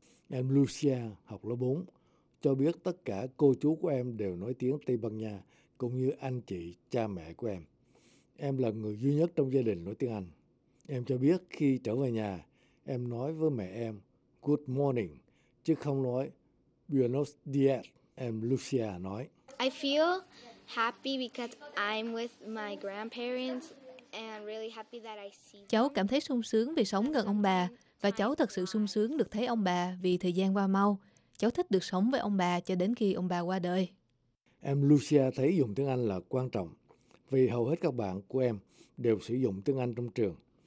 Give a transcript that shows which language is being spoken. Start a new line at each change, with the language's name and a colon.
Vietnamese: Em Lucia, học lớp 4, cho biết tất cả cô chú của em đều nói tiếng Tây Ban Nha, cũng như anh chị, cha mẹ của em. Em là người duy nhất trong gia đình nói tiếng Anh. Em cho biết khi trở về nhà, em nói với mẹ em
English: Good morning,
Vietnamese: chứ không nói
Spanish: Buenos dias.
Vietnamese: Em Lucia nói,
English: I feel happy because I'm with my grandparents and really happy that I see.
Vietnamese: Cháu cảm thấy sung sướng vì sống gần ông bà, và cháu thật sự sung sướng được thấy ông bà vì thời gian qua mau. Cháu thích được sống với ông bà cho đến khi ông bà qua đời. Em Lucia thấy dùng tiếng Anh là quan trọng, vì hầu hết các bạn của em đều sử dụng tiếng Anh trong trường.